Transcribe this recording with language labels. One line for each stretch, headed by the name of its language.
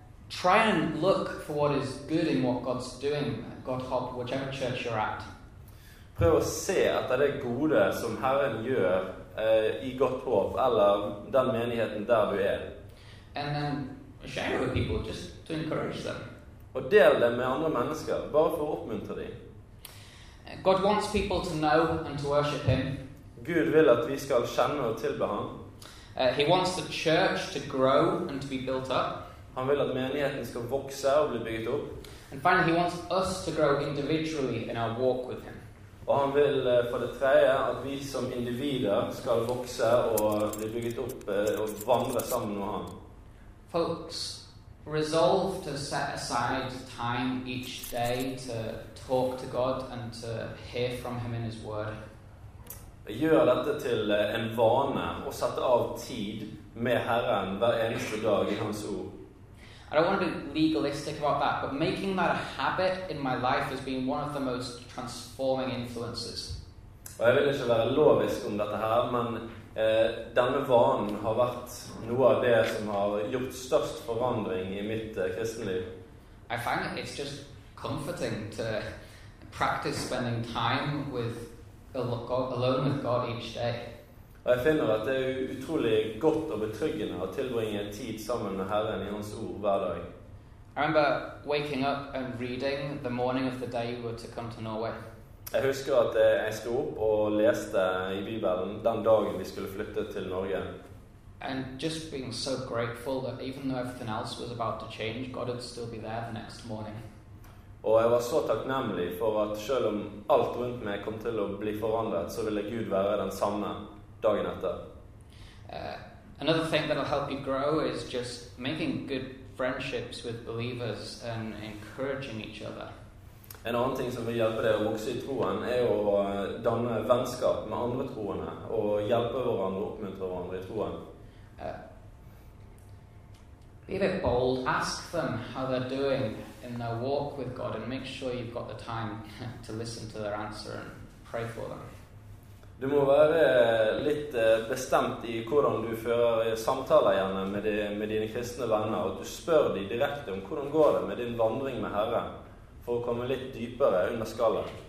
English: Try and look for what is good in what God's doing at God Hope, whichever church you're at.
Norwegian: Prøv å se etter det gode som Herren gjør I Godt Håp eller den menigheten der du
English: And then share with people just to encourage them.
Norwegian: Og del det med andre mennesker, bare for å oppmuntre dem.
English: God wants people to know and to worship him.
Norwegian: Gud vil at vi skal kjenne og tilbe ham.
English: He wants the church to grow and to be built up.
Norwegian: Han vil at menigheten skal vokse og bli bygget opp.
English: And finally, he wants us to grow individually in our walk with him.
Norwegian: Og han vil for det tredje at vi som individer skal vokse og bli bygget opp og vandre sammen med ham.
English: Folks, resolve to set aside time each day to talk to God and to hear from him in his word.
Norwegian: Gjør dette til en vane og sette av tid med Herren hver eneste dag I hans ord.
English: I don't want to be legalistic about that, but making that a habit in my life has been one of the most transforming influences.
Norwegian: Og jeg vil ikke være lovisk om dette her, men denne vanen har vært noe av det som har gjort størst forandring I mitt kristenliv.
English: I find it's just comforting to practice spending time with alone with God each day.
Norwegian: Og jeg finner at det utrolig godt og betryggende å tilbringe tid sammen med Herren I hans ord hver dag.
English: I remember waking up and reading the morning of the day we were to come to Norway.
Norwegian: Jeg husker at jeg stod opp og leste I Bibelen den dagen vi skulle flytte til Norge.
English: And just being so grateful that even though everything else was about to change, God would still be there the next morning.
Norwegian: Og jeg var så takknemlig for at selv om alt rundt meg kom til å bli forandret, så ville Gud være den samme. Dagen etter.
English: Another thing that will help you grow is just making good friendships with believers and encouraging each other.
Norwegian: En annen ting som vil hjelpe deg å vokse I troen å danne vennskap med andre troende og hjelpe hverandre og oppmuntre hverandre I troen.
English: Be a bit bold. Ask them how they're doing in their walk with God and make sure you've got the time to listen to their answer and pray for them.
Norwegian: Du må være litt bestemt I hvordan du fører samtaler gjerne med dine kristne venner, og du spør dem direkte om hvordan går det med din vandring med Herren, for å komme litt dypere under skallen.